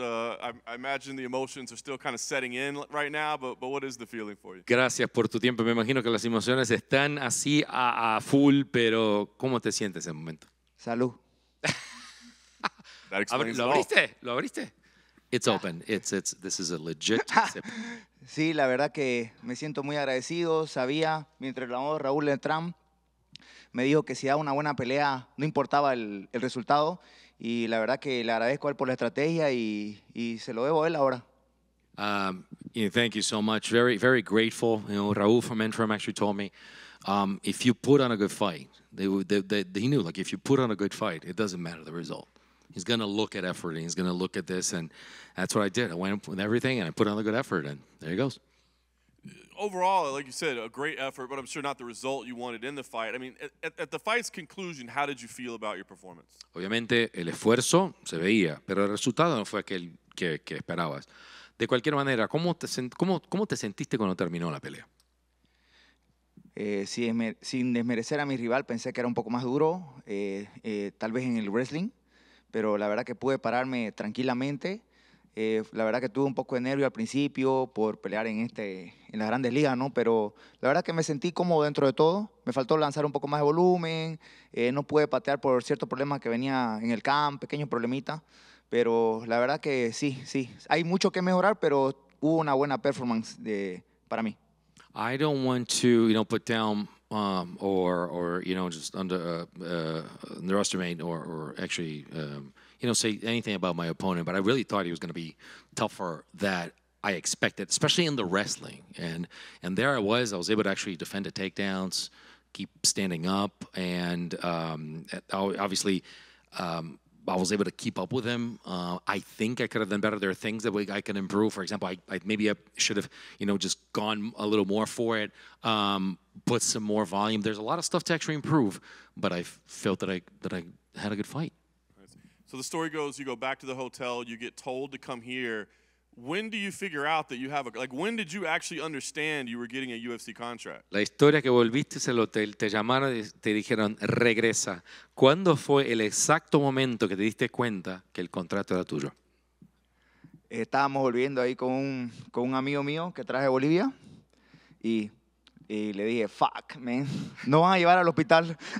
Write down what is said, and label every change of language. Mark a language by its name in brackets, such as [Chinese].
[English] I imagine the emotions are still kind of setting in right now, but what is the feeling for you? [Spanish] Gracias por tu tiempo. Me imagino que las emociones están así a full, pero ¿cómo te sientes en momento? Salud. [English] That explains it all. [Spanish] ¿Lo abriste? [English] It's open. It's this is a legit sip. [Spanish] Sí, la verdad que me siento muy agradecido. Sabía, mientras lo amó Raúl Letrán, me dijo que si daba una buena pelea, no importaba el resultado. Y la verdad que le agradezco a él por la estrategia y se lo debo a él ahora. [English] Thank you so much. Very, very grateful. You know, Raúl from Interim actually told me, if you put on a good fight, he knew, like, if you put on a good fight, it doesn't matter the result. He's going to look at effort, and he's going to look at this, and that's what I did. I went with everything, and I put on a good effort, and there he goes. Overall, like you said, a great effort, but I'm sure not the result you wanted in the fight. I mean, at the fight's conclusion, how did you feel about your performance? [Spanish] Obviamente, el esfuerzo se veía, pero el resultado no fue aquel que esperabas. De cualquier manera, ¿cómo te sentiste cuando terminó la pelea? Sin desmerecer a mi rival, pensé que era un poco más duro, tal vez en el wrestling, pero la verdad que pude pararme tranquilamente. La verdad que tuve un poco de nervio al principio por pelear en las grandes ligas, ¿no? Pero la verdad que me sentí cómodo dentro de todo. Me faltó lanzar un poco más de volumen. No pude patear por ciertos problemas que venía en el camp, pequeños problemitas. Pero la verdad que sí. Hay mucho que mejorar, pero hubo una buena performance para mí. [English] I don't want to, you know, put down or you know, just underestimate or actually... You know, say anything about my opponent, but I really thought he was going to be tougher than I expected, especially in the wrestling. And there I was able to actually defend the takedowns, keep standing up, and I was able to keep up with him. I think I could have done better. There are things that I can improve. For example, I should have, you know, just gone a little more for it, put some more volume. There's a lot of stuff to actually improve, but I felt that I had a good fight. So the story goes, you go back to the hotel, you get told to come here. When do you figure out that you have a, like, when did you actually understand you were getting a UFC contract? [Spanish] La historia que volviste al hotel, te llamaron y te dijeron, regresa. ¿Cuándo fue el exacto momento que te diste cuenta que el contrato era tuyo? Estábamos volviendo ahí con un amigo mío que traje de Bolivia. Y le dije, [English] fuck, man, [Spanish] no van a llevar al hospital.